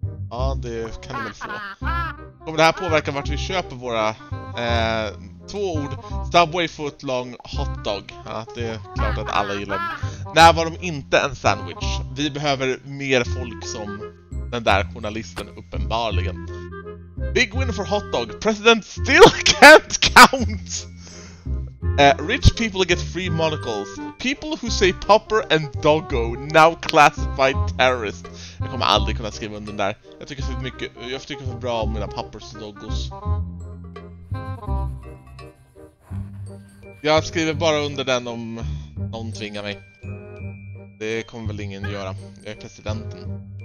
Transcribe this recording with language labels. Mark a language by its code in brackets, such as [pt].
[sv] Ja, det kan du väl få. Kommer det här påverka vart vi köper våra två ord? [en] Subway, footlong, hotdog. [sv] Ja, det är klart att alla gillar det. När var de inte en sandwich? Vi behöver mer folk som den där journalisten uppenbarligen. [en] Big win for hotdog. President still can't count! Rich people get free monocles. People who say popper and doggo now classified terrorist. [sv] Jag kommer aldrig kunna skriva under den där. Jag tycker för bra om mina poppers och doggos. Jag skriver bara under den om någon tvingar mig. Det kommer väl ingen göra. Jag är presidenten.